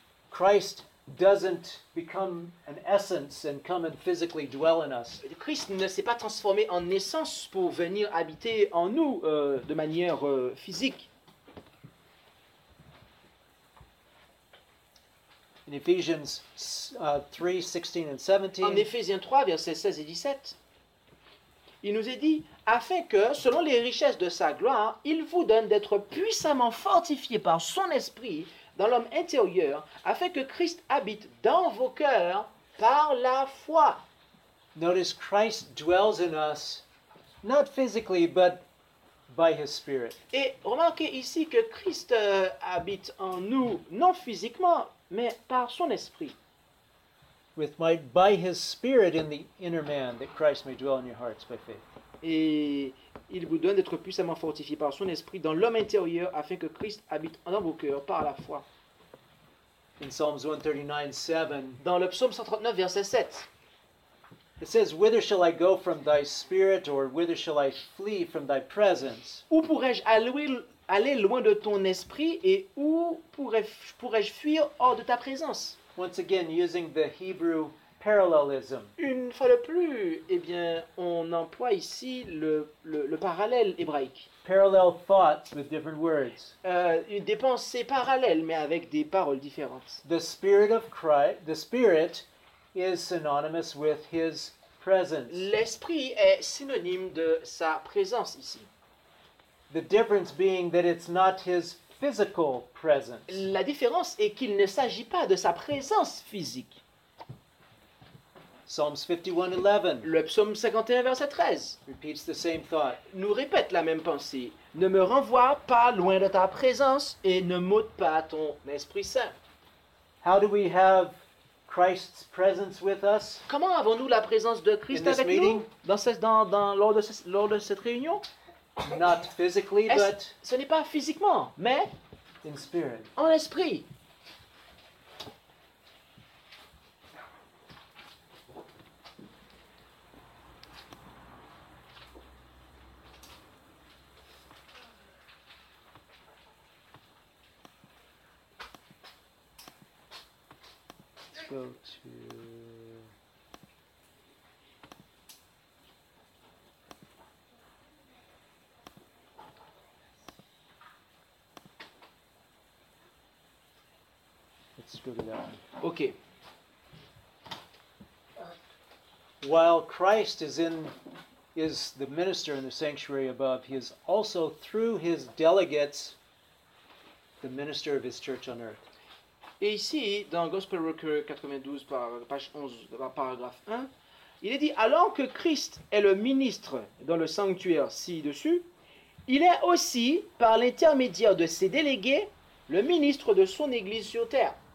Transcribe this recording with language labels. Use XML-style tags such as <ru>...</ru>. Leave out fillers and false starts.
<en>Christ doesn't become an essence and come and physically dwell in us.</en> <fr>Christ ne s'est pas transformé en essence pour venir habiter en nous de manière physique.</fr> <en>In Ephesians 3, 16 and 17.</en> <fr>En Éphésiens 3, versets 16 et 17. Il nous est dit, afin que, selon les richesses de sa gloire, il vous donne d'être puissamment fortifié par son esprit dans l'homme intérieur, afin que Christ habite dans vos cœurs par la foi.</fr> <en>Notice Christ dwells in us, not physically, but by his spirit.</en> <fr>Et remarquez ici que Christ habite en nous, non physiquement, mais par son esprit.</fr> <en>With might by his spirit in the inner man that Christ may dwell in your hearts by faith.</en> <fr>Et il vous donne d'être puissamment fortifié par son esprit dans l'homme intérieur afin que Christ habite dans vos cœurs par la foi.</fr> <en>In Psalms 139:7.</en> <fr>Dans le Psaume 139 verset 7.</fr> <en>It says, whither shall I go from thy spirit or whither shall I flee from thy presence?</en> <fr>Où pourrais-je aller loin de ton esprit et où pourrais-je fuir hors de ta présence?</fr> <en>Once again, using the Hebrew parallelism.</en> <fr>Une fois de plus, eh bien, on emploie ici le parallèle hébraïque.</fr> <en>Parallel thoughts with different words.</en> <fr>Des pensées parallèles, mais avec des paroles différentes.</fr> <en>The spirit of Christ, the spirit, is synonymous with his presence.</en> <fr>L'esprit est synonyme de sa présence ici.</fr> <en>The difference being that it's not his physical presence.</en> <fr>La différence est qu'il ne s'agit pas de sa présence physique.</fr> <en>Psalms 51:11.</en> <fr>Le psaume 51 verset 13.</fr> <en>Repeats the same thought.</en> <fr>Nous répète la même pensée. Ne me renvoie pas loin de ta présence et ne m'ôte pas ton Esprit Saint.</fr> <en>How do we have Christ's presence with us?</en> <fr>Comment avons-nous la présence de Christ</fr> <en>in</en> <fr>avec nous lors de cette réunion?</fr> <en>Not physically, but</en> <fr>ce n'est pas physiquement, mais</fr> <en>in spirit.</en> <fr>En esprit.</fr> <en>Go to OK. While Christ is the minister in the sanctuary above, he is also through his delegates the minister of his church on earth.</en> <fr>Et ici, dans Gospel Record 92, page 11, paragraphe 1, il est dit, alors que Christ est le ministre dans le sanctuaire ci-dessus, il est aussi, par l'intermédiaire de ses délégués, le ministre de son Église sur terre.</fr>